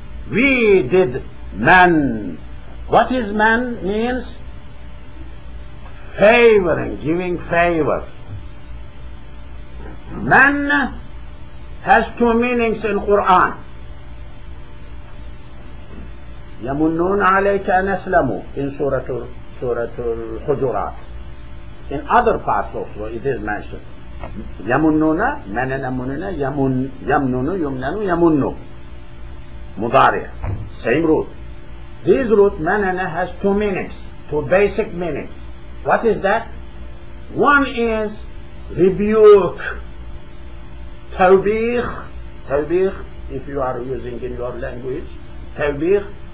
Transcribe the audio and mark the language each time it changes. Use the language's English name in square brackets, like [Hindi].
[English] We did man. What is man means? Favoring, giving favor. Man has two meanings in Quran. [Arabic] يمنون عليك أن أسلموا [English] in Surah Al-Hujurat. In other parts also it is mentioned. [Arabic] يمنون منن منن يمنون يمنن يمنون مضارع. [English] Same root. This root منن has two meanings, two basic meanings. What is that? One is rebuke. توبيخ. توبيخ, if you are using in your language. [Arabic] توبيخ.